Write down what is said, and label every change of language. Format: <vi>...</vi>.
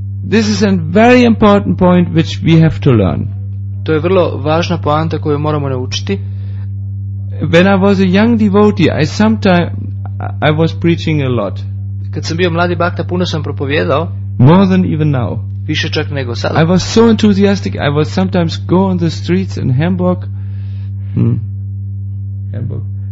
<en>This is a very important point which we have to learn.</en> <hr>To je vrlo važna poanta koju moramo naučiti.</hr> <en>When I was a young devotee, I was preaching a lot.</en> <hr>Kad sam bio mladi bhakta, puno sam propovjedao.</hr> <en>More than even now.</en> <hr>Više čak nego sada.</hr> <en>I was so enthusiastic. I was sometimes go on the streets in Hamburg. Hamburg.</en>